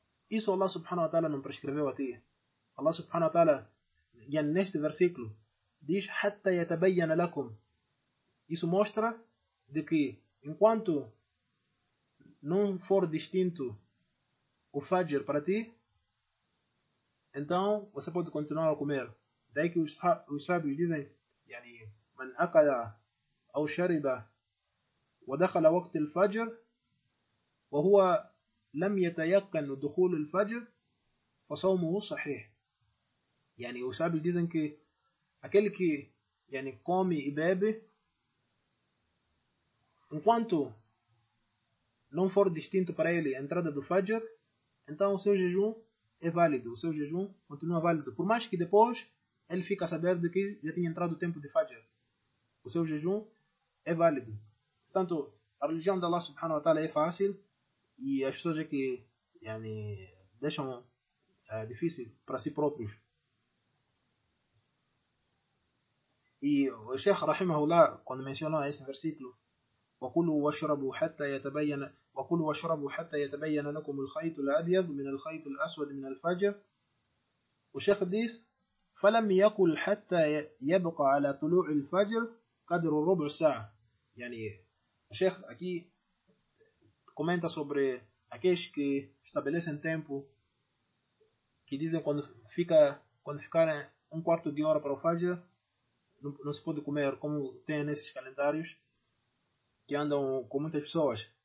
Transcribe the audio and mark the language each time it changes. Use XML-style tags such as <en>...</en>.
<pt>Isso Allah subhanahu wa ta'ala não prescreveu a ti. Allah subhanahu wa ta'ala, neste versículo, diz:</pt> <ar>Hatta yatabayyana lakum.</ar> <pt>Isso mostra de que, enquanto não for distinto o Fajr para ti, então você pode continuar a comer. Daí que os sábios dizem:</pt> <ar>Man akala ou shariba ودخل وقت الفجر وهو لم يتيقن دخول الفجر فصومه صحيح.</ar> <pt>Os sábios dizem que aquele que come e bebe, enquanto não for distinto para ele a entrada do Fajr, então o seu jejum é válido, o seu jejum continua válido, por mais que depois ele fique a saber de que já tinha entrado o tempo de Fajr. O seu jejum é válido. Portanto, a religião de Allah subhanahu wa ta'ala é fácil e as pessoas é que deixam difícil para si próprios. E o Sheikh Rahimahullah, quando mencionou esse versículo,</pt> <ar>وَكُلُوا وَاشْرَبُوا حَتَّى يَتَبَيَّنَ وَكُلُوا وَاشْرَبُوا حَتَّى يَتَبَيَّنَ لَكُمُ الْخَيْطُ الْأَبْيَضُ مِنَ الْخَيْطِ الْأَسْوَدِ مِنَ الْفَجْرِ.</ar> <pt>O Sheikh diz:</pt> <ar>فَلَمْ يَكُلْ حَتَّى يَبْقَ عَلَى طُلُوعِ الْفَجْرِ قَدْرُ رُبْعِ سَاعَةٍ.</ar> <pt>O Sheikh aqui comenta sobre aqueles que estabelecem tempo, que dizem quando ficarem um quarto de hora para o Fajr, não se pode comer, como tem nesses calendários que andam com muitas pessoas.</pt>